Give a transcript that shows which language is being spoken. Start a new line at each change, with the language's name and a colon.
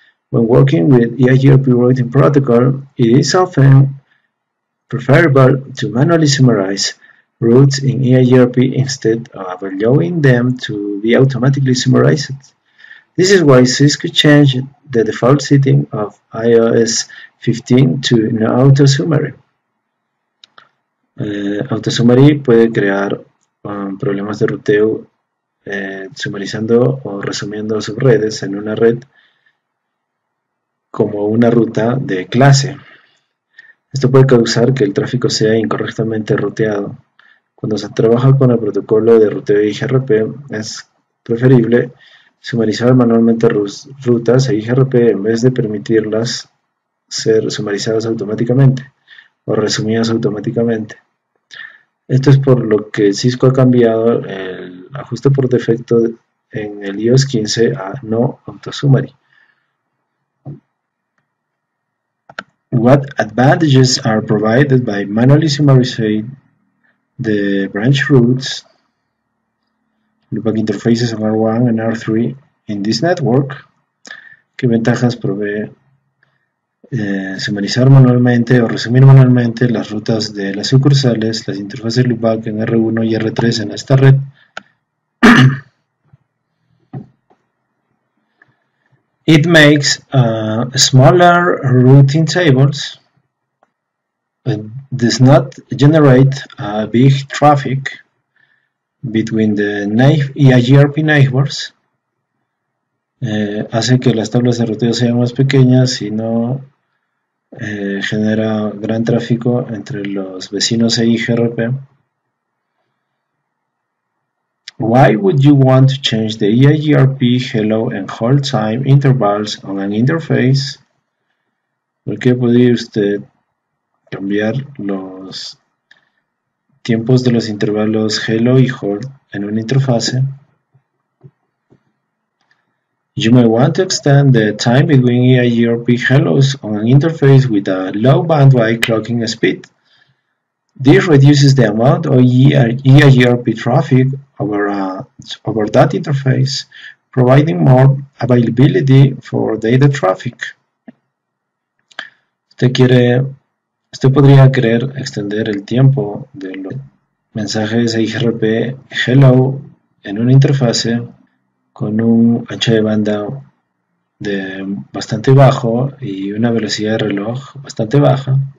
English: When working with EIGRP routing protocol, it is often preferable to manually summarize routes in EIGRP instead of allowing them to be automatically summarized. This is why Cisco changed the default setting of iOS 15 to no auto summary.
Spanish: Auto summary puede crear problemas de ruteo sumarizando o resumiendo subredes en una red como una ruta de clase. Esto puede causar que el tráfico sea incorrectamente ruteado. Cuando se trabaja con el protocolo de ruteo IGRP, es preferible sumarizar manualmente rutas a IGRP en vez de permitirlas ser sumarizadas automáticamente o resumidas automáticamente. Esto es por lo que Cisco ha cambiado el ajuste por defecto en el iOS 15 a no autosummary.
English: What advantages are provided by manually summarizing the branch routes? Loopback interfaces on R1 and R3 in this network.
Spanish: ¿Qué ventajas provee sumarizar manualmente o resumir manualmente las rutas de las sucursales, las interfaces loopback en R1 y R3 en esta red?
English: It makes smaller routing tables, but does not generate a big traffic between the EIGRP neighbors.
Spanish: Hace que las tablas de ruteo sean más pequeñas y no genera gran tráfico entre los vecinos EIGRP.
English: Why would you want to change the EIGRP hello and hold time intervals on an interface?
Spanish: ¿Por qué podría usted cambiar los tiempos de los intervalos hello y hold en una interfase?
English: You may want to extend the time between EIGRP hellos on an interface with a low bandwidth clocking speed. This reduces the amount of EIGRP traffic over that interface, providing more availability for data traffic.
Spanish: Usted podría querer extender el tiempo de los mensajes EIGRP hello en una interfase con un ancho de banda de bastante bajo y una velocidad de reloj bastante baja.